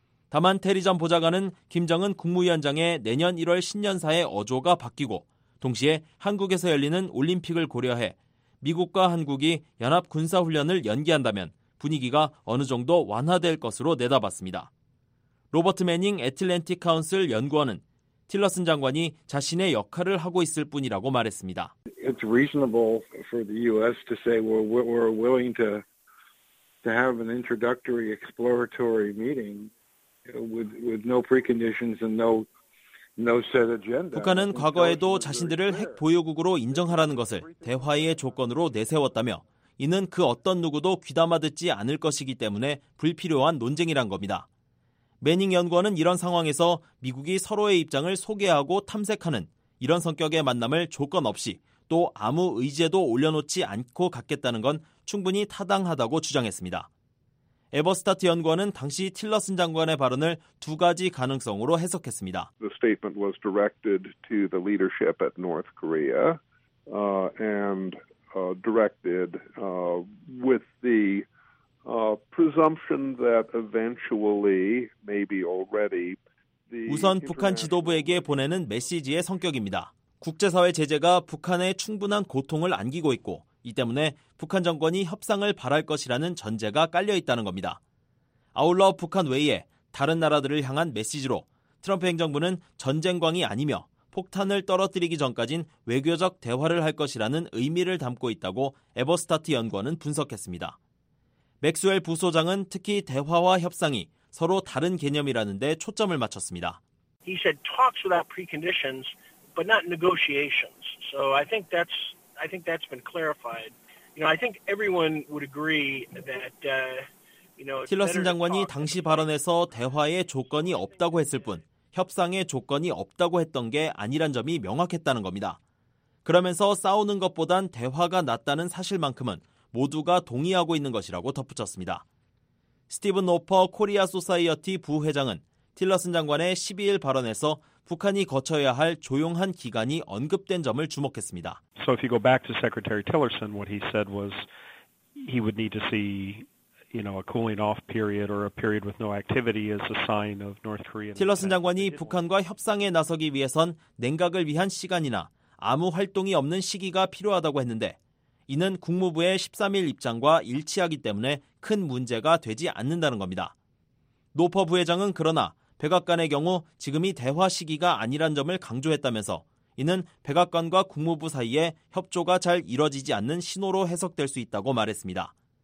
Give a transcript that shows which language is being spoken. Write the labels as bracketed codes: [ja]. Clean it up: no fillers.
[ko] 다만 테리 전 보좌관은 김정은 국무위원장의 내년 1월 신년사의 어조가 바뀌고 동시에 한국에서 열리는 올림픽을 고려해 미국과 한국이 연합군사훈련을 연기한다면 분위기가 어느 정도 완화될 것으로 내다봤습니다. 로버트 매닝 애틀랜틱 카운슬 연구원은 틸러슨 장관이 자신의 역할을 하고 있을 뿐이라고 말했습니다. [en] It's reasonable for the U.S. to say we're willing to have an introductory exploratory meeting. With no preconditions and no set agenda. [ko] 북한은 과거에도 자신들을 핵 보유국으로 인정하라는 것을 대화의 조건으로 내세웠다며 이는 그 어떤 누구도 귀담아 듣지 않을 것이기 때문에 불필요한 논쟁이란 겁니다. 매닝 연구원은 이런 상황에서 미국이 서로의 입장을 소개하고 탐색하는 이런 성격의 만남을 조건 없이 또 아무 의제도 올려놓지 않고 갖겠다는 건 충분히 타당하다고 주장했습니다. 에버스타트 연구원은 당시 틸러슨 장관의 발언을 두 가지 가능성으로 해석했습니다. [en] The statement was directed to the leadership at North Korea and directed with the presumption that eventually maybe already the [ko] 우선 북한 지도부에게 보내는 메시지의 성격입니다. 국제사회 제재가 북한에 충분한 고통을 안기고 있고 이 때문에 북한 정권이 협상을 바랄 것이라는 전제가 깔려 있다는 겁니다. 아울러 북한 외에 다른 나라들을 향한 메시지로 트럼프 행정부는 전쟁광이 아니며 폭탄을 떨어뜨리기 전까진 외교적 대화를 할 것이라는 의미를 담고 있다고 에버스타트 연구원은 분석했습니다. 맥스웰 부소장은 특히 대화와 협상이 서로 다른 개념이라는 데 초점을 맞췄습니다. [en] He said talks without preconditions, but not negotiations. So I think that's been clarified. You know, I think everyone would agree that, you know, [ko] 틸러슨 장관이 당시 발언에서 대화의 조건이 없다고 했을 뿐 협상의 조건이 없다고 했던 게 아니란 점이 명확했다는 겁니다. 그러면서 싸우는 것보단 대화가 낫다는 사실만큼은 모두가 동의하고 있는 것이라고 덧붙였습니다. 스티븐 노퍼 코리아 소사이어티 부회장은 틸러슨 장관의 12일 발언에서 북한이 거쳐야 할 조용한 기간이 언급된 점을 주목했습니다. [en] So if you go back to Secretary Tillerson, what he said was he would need to see, you know, a cooling off period or a period with no activity as a sign of North Korea. [ko] 틸러슨 장관이 북한과 협상에 나서기 위해선 냉각을 위한 시간이나 아무 활동이 없는 시기가 필요하다고 했는데 이는 국무부의 13일 입장과 일치하기 때문에 큰 문제가 되지 않는다는 겁니다. 노퍼 부회장은 그러나 백악관의 경우 지금이 대화 시기가 아니란 점을 강조했다면서 이는 백악관과 국무부 사이에 협조가 잘 이뤄지지 않는 신호로 해석될 수 있다고 말했습니다.